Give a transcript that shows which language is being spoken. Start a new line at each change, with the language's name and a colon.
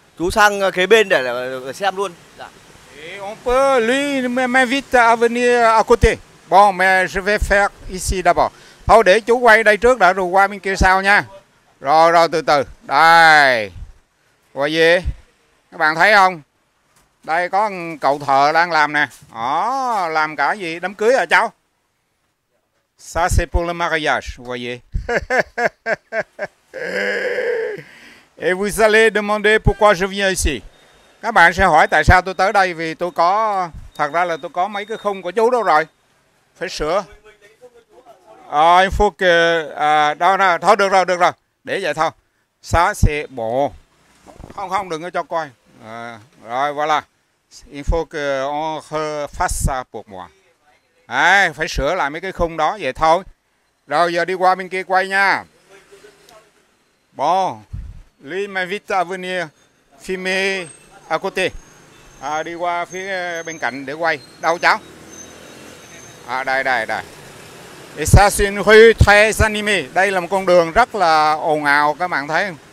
Vietnamese: Chú sang kế bên để xem luôn. Dạ.
French: On peut lui m'invite à venir à côté. Bon, mais je vais faire ici d'abord.
Vietnamese: Thôi để chú quay đây trước đã rồi qua bên kia sau nha. Rồi từ từ. Đây. Quay về. Các bạn thấy không? Đây có cậu thợ đang làm nè. Làm cả gì? Đám cưới à cháu?
French: Ça c'est pour le mariage.
Vietnamese: Quay về.
French: Et vous allez demander pourquoi je viens ici.
Vietnamese: Các bạn sẽ hỏi tại sao tôi tới đây vì tôi có, thật ra là tôi có mấy cái khung của chú đâu rồi. Phải sửa.
French: Il faut que
Vietnamese: thôi được rồi. Để vậy thôi.
French: Ça c'est bon.
Vietnamese: Không, đừng có cho coi. Rồi voilà.
French: Il faut que on refasse ça pour moi.
Vietnamese: Phải sửa lại mấy cái khung đó vậy thôi. Rồi giờ đi qua bên kia quay nha.
French: Bon. Lui m'invite à venir filmer à côté.
Vietnamese: Đi qua phía bên cạnh để quay. Đâu cháu? Đây.
French: Et ça c'est une rue très animée.
Vietnamese: Đây là một con đường rất là ồn ào, các bạn thấy không?